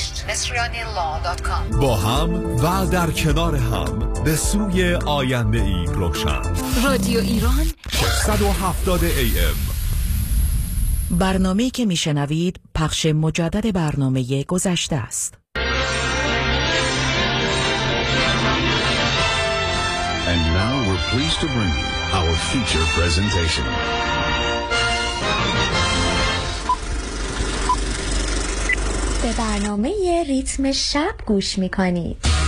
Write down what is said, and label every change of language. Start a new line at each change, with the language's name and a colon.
Persian: مصریانی لا. با هم و در کنار هم به سوی آینده ای روشن. رادیو ایران 670 AM. برنامه که می شنوید پخش مجدد برنامه گذشته است.
English: And now we're pleased to bring you our feature presentation.
Persian: به برنامه ریتم شب گوش میکنید.